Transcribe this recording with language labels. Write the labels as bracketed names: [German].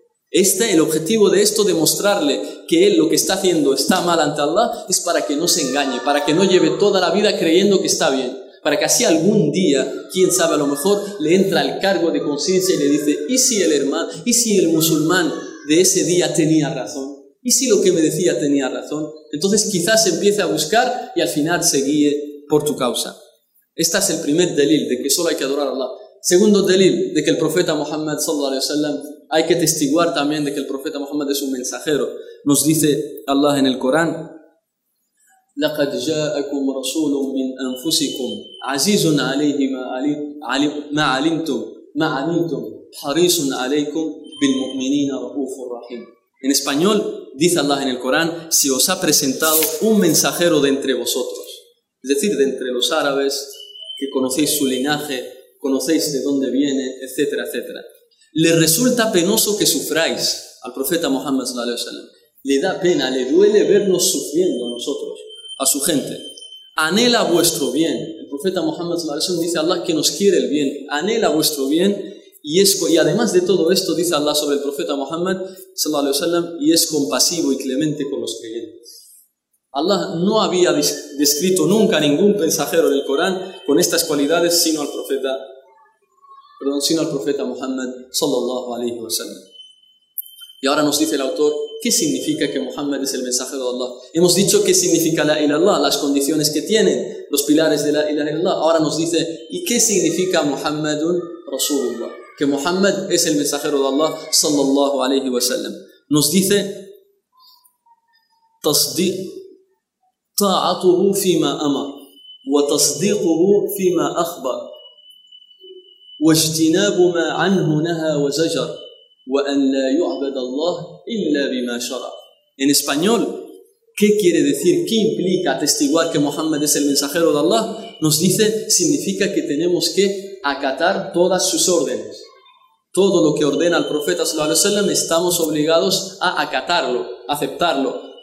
[Spanish] Este, el objetivo de esto, de mostrarle que él lo que está haciendo está mal ante Allah, es para que no se engañe, para que no lleve toda la vida creyendo que está bien, para que así algún día, quién sabe, a lo mejor le entra el cargo de conciencia y le dice, ¿y si el hermano, y si el musulmán de ese día tenía razón? ¿Y si lo que me decía tenía razón? Entonces quizás empiece a buscar y al final se guíe por tu causa. Este es el primer delil de que solo hay que adorar a Allah. Segundo delil de que el profeta Muhammad sallallahu alayhi wa sallam, hay que testiguar también de que el profeta Muhammad es un mensajero. Nos dice Allah en el Corán, [Arabic] لَقَدْ جَاءَكُمْ رَسُولٌ مِّنْ أَنفُسِكُمْ عَزِيزٌ عَلَيْهِ مَا عَلِمْتُمْ حَرِيصٌ عَلَيْكُمْ بِالْمُؤْمِنِينَ رَؤُوفٌ رَحِيمٌ. [Spanish] En español dice Allah en el Corán, se os ha presentado un mensajero de entre vosotros, es decir, de entre los árabes, que conocéis su linaje, conocéis de dónde viene, etcétera, etcétera. Le resulta penoso que sufráis al profeta Muhammad sallallahu alaihi wasallam. Le da pena, le duele vernos sufriendo a nosotros, a su gente. Anhela vuestro bien. El profeta Muhammad sallallahu alaihi wasallam dice a Allah que nos quiere el bien. Anhela vuestro bien. Y además de todo esto, dice Allah sobre el profeta Muhammad sallallahu alaihi wasallam, y es compasivo y clemente con los creyentes. Allah no había descrito nunca ningún mensajero del Corán con estas cualidades sino al profeta Muhammad sallallahu alayhi wa sallam. Y ahora nos dice el autor, ¿qué significa que Muhammad es el mensajero de Allah? Hemos dicho qué significa la ilaha illallah, las condiciones que tienen, los pilares de la ilaha illallah. Ahora nos dice, ¿y qué significa Muhammadun Rasulullah? Que Muhammad es el mensajero de Allah sallallahu alayhi wa sallam. Nos dice, [Arabic] تصديق طاعته فيما أمر وتصديقه فيما أخبر واجتناب ما عنه نهى وزجر وأن لا يعبد الله إلا بما شرع. [Spanish] En español, ¿qué quiere decir? ¿Qué implica atestiguar que Muhammad es el mensajero de Allah? Nos dice, significa que tenemos que acatar todas sus órdenes. Todo lo que ordena el profeta sallallahu alaihi wasallam, estamos obligados a acatarlo, aceptarlo.